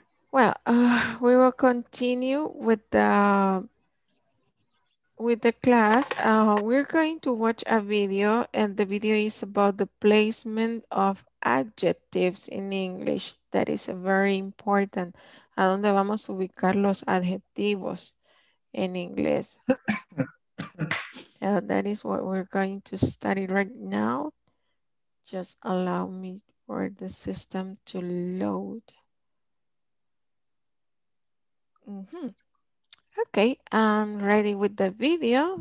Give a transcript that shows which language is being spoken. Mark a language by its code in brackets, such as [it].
[en] Well, we will continue with the class. We're going to watch a video, and the video is about the placement of adjectives in English. That is very important. [es] ¿A dónde vamos a ubicar los adjetivos en inglés? [en] That is what we're going to study right now. Just allow me for the system to load. Mm-hmm. Okay, I'm ready with the video.